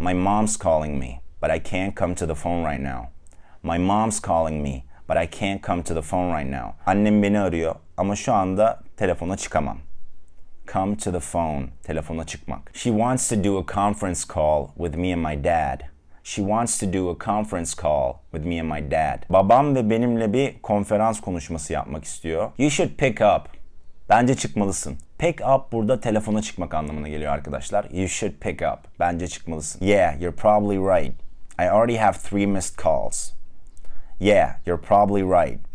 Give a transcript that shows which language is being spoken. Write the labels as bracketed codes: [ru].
[en] My mom's calling me, but I can't come to the phone right now. My mom's calling me, but I can't come to the phone right now. [tr] Annem beni arıyor ama şu anda telefona çıkamam. [en] Come to the phone, [tr] telefona çıkmak. [en] She wants to do a conference call with me and my dad. She wants to do a conference call with me and my dad. [tr] Babam ve benimle bir konferans konuşması yapmak istiyor. [en] You should pick up. [tr] Bence çıkmalısın. Pick up burada telefona çıkmak anlamına geliyor arkadaşlar. [en] You should pick up. [tr] Bence çıkmalısın. [en] Yeah, you're probably right. I already have 3 missed calls. Yeah, you're probably right.